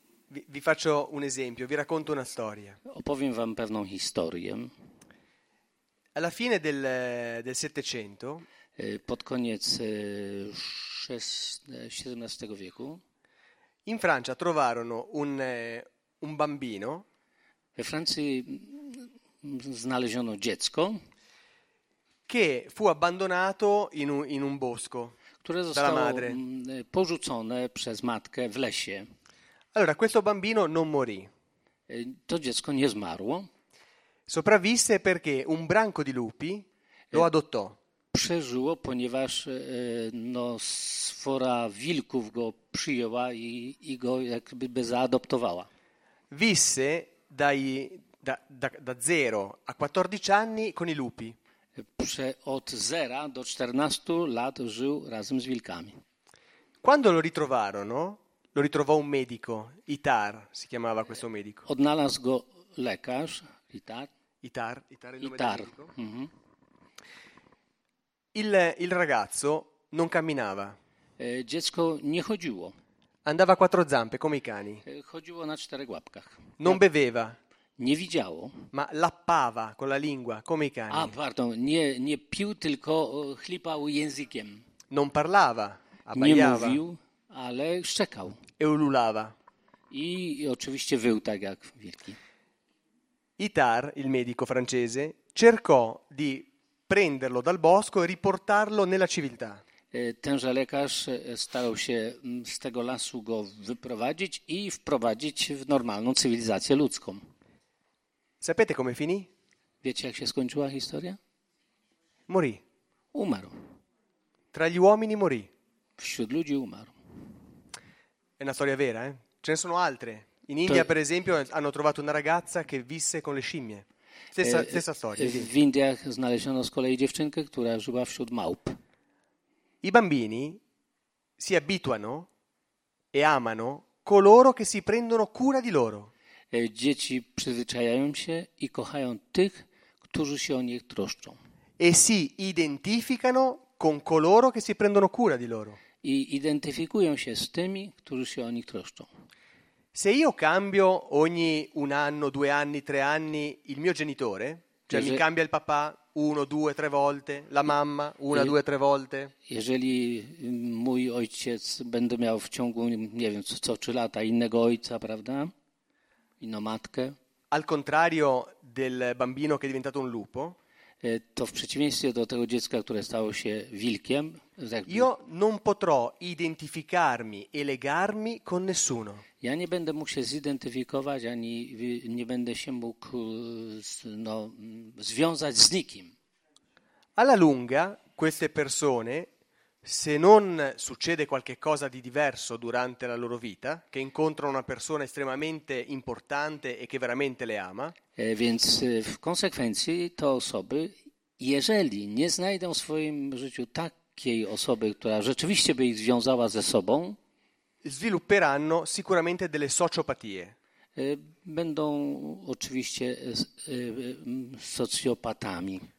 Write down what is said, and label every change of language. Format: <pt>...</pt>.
<it>Vi faccio un esempio, vi racconto una storia.</it> <pl>Opowiem wam pewną historię.</pl> <it>Alla fine del Settecento,</it> <pl>pod koniec XVII wieku,</pl> <it>in Francia trovarono un bambino.</it> <pl>We Francji znaleziono dziecko,</pl> <it>che fu abbandonato in un bosco,</it> <pl>które</pl> <it>dalla</it> <pl>zostało</pl> <it>madre.</it> <pl>Porzucone przez matkę w lesie.</pl> <it>Allora, questo bambino non morì.</it> <pl>To dziecko nie zmarło.</pl> <it>Sopravvisse perché un branco di lupi lo adottò.</it> <pl>Przeżyło, ponieważ sfora wilków go przyjęła i go jakby zaadoptowała.</pl> <it>Visse da zero a 14 anni con i lupi.</it> <pl>Od zera do 14 lat żył razem z wilkami.</pl> <it>Quando lo ritrovarono, lo ritrovò un medico, Itar si chiamava questo medico.</it> <pl>Odnalazł go lekarz, Itar.</pl> <it>Itar è il nome Itar. Del medico. Mm-hmm. Il ragazzo non camminava.</it> <pl>Dziecko nie chodziło.</pl> <it>Andava a quattro zampe, come i cani.</it> <pl>Chodziło na czterech łapkach.</pl> <it>Non beveva.</it> <pl>Nie widziało.</pl> <it>Ma lappava con la lingua, come i cani.</it> <pl>Ah, pardon, nie pił, tylko chlipał językiem.</pl> <it>Non parlava, abbaiava.</it> <pl>Nie mówił. Ale szczekał.</pl> <it>E ululava.</it> <pl>I oczywiście wył tak jak wilki.</pl> <it>Itar, il medico francese, cercò di prenderlo dal bosco e riportarlo nella civiltà.</it> <pl>tenże lekarz starał się z tego lasu go wyprowadzić i wprowadzić w normalną cywilizację ludzką.</pl> <it>Sapete come finì?</it> <pl>Wiecie, jak się skończyła historia?</pl> <it>Morì.</it> <pl>Umarł.</pl> <it>Tra gli uomini morì.</it> <pl>Wśród ludzi umarł.</pl> <it>È una storia vera, eh? Ce ne sono altre. In India, per esempio, hanno trovato una ragazza che visse con le scimmie. Stessa storia.</it> <pl>W Indiach znaleziono z kolei dziewczynkę, która żyła wśród małp.</pl> <it>I bambini si abituano e amano coloro che si prendono cura di loro.</it> <pl>Dzieci przyzwyczajają się i kochają tych, którzy się o nich troszczą.</pl> <it>E si identificano con coloro che si prendono cura di loro.</it> <pl>I identyfikują się z tymi, którzy się o nich troszczą.</pl> <it>Se io cambio ogni un anno, due anni, tre anni il mio genitore, cioè mi cambia il papà uno, due, tre volte, la mamma una, due, tre volte.</it> <pl>Jeżeli mój ojciec będę miał w ciągu, nie wiem, co trzy lata innego ojca, prawda? Inną matkę.</pl> <it>Al contrario del bambino che è diventato un lupo.</it> <pl>To w przeciwieństwie do tego dziecka, które stało się wilkiem. Jakby,</pl> <it>io non potrò identificarmi e legarmi con nessuno.</it> <pl>Ja nie będę mógł się zidentyfikować, ani nie będę się mógł no, związać z nikim.</pl> <it>Alla lunga, queste persone, se non succede qualche cosa di diverso durante la loro vita, che incontrano una persona estremamente importante e che veramente le ama.</it> <pl>Więc w konsekwencji te osoby, jeżeli nie znajdą w swoim życiu takiej osoby, która rzeczywiście by ich związała ze sobą,</pl> <it>svilupperanno sicuramente delle sociopatie.</it> <pl>Będą oczywiście socjopatami.</pl>